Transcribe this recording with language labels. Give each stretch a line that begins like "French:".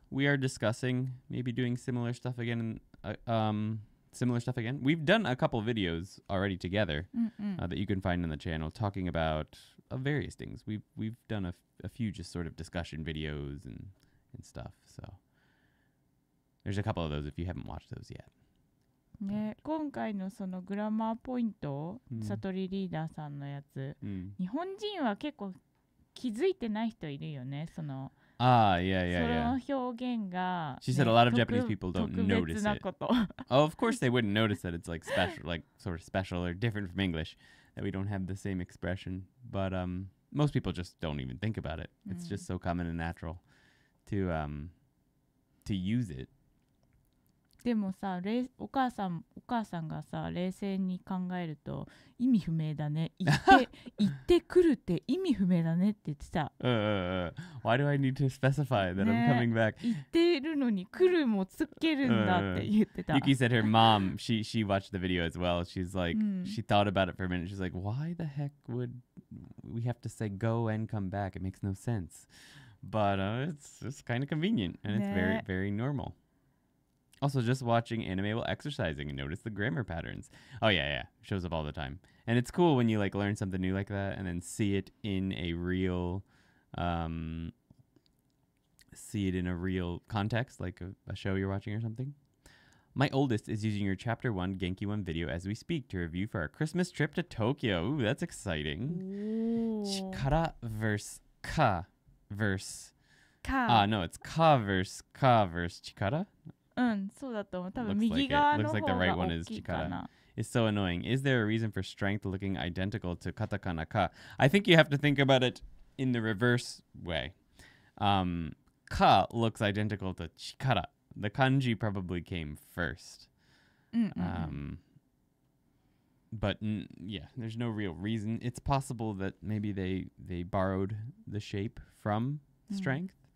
English: We are discussing maybe doing similar stuff again. We've done a couple videos already together that you can find on the channel talking about various things. We've done a few just sort of discussion videos and stuff, so... There's a couple of those if you haven't watched those yet.
Japanese: ね、今回のそのグラマーポイント、サトリリーダーさんのやつ、日本人は結構気づいてない人いるよね、その。
English: Ah, yeah, yeah, yeah.
Japanese: その表現が。
English: She said a lot of Japanese people don't notice it.
Japanese: 特別なこと。
English: Oh, of course they wouldn't notice that it's like special, like sort of special or different from English, that we don't have the same expression. But most people just don't even think about it. It's just so common and natural to use it.
Japanese: でもさ、お母さんがさ、冷静に考えると意味不明だね。行ってくるって意味不明だねって言ってた。
English: Why do I need to specify that、ね、I'm coming back?
Japanese: 行ってるのに来るもつけるんだって言ってた。
English: Yuki said her mom, she watched the video as well. She's like, she thought about it for a minute. She's like, why the heck would we have to say go and come back? It makes no sense. But it's kind of convenient and it's、ね、very, very normal. Also, just watching anime while exercising and notice the grammar patterns. Oh, yeah, yeah. Shows up all the time. And it's cool when you, like, learn something new like that and then see it in a real context, like a show you're watching or something. My oldest is using your Chapter 1 Genki 1 video as we speak to review for our Christmas trip to Tokyo. Ooh, that's exciting. Ooh. Chikara versus ka versus... ka. Ah, no, it's ka versus ka versus chikara.
Japanese: うん、そうだと思う。多分右側の方が大きいかな。
English: Looks like the right one is Chikara. It's so annoying. Is there a reason for strength looking identical to katakana ka? I think you have to think about it in the reverse way. Ka looks identical to Chikara. The kanji probably came first. But there's no real reason. It's possible that maybe they borrowed the shape from strength.